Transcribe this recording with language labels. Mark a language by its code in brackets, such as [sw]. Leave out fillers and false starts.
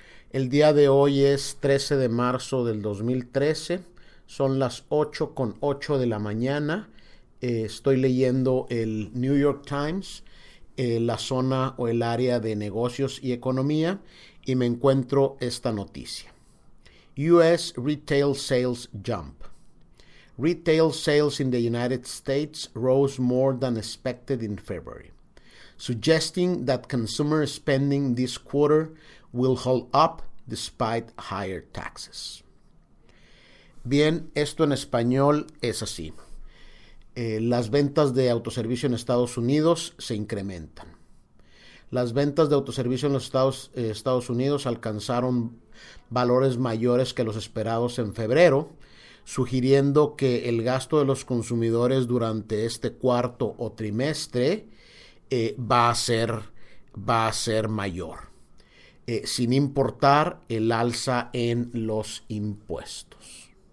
[es] El día de hoy es 13 de marzo del 2013. Son las 8 con 8 de la mañana. Estoy leyendo el New York Times, la zona o el área de negocios y economía, y me encuentro esta noticia. [en] U.S. retail sales jump. Retail sales in the United States rose more than expected in February, suggesting that consumer spending this quarter will hold up despite higher taxes. [es] Bien, esto en español es así. Las ventas de autoservicio en Estados Unidos se incrementan. Las ventas de autoservicio en los Estados Unidos alcanzaron valores mayores que los esperados en febrero, sugiriendo que el gasto de los consumidores durante este cuarto o trimestre va a ser mayor, sin importar el alza en los impuestos.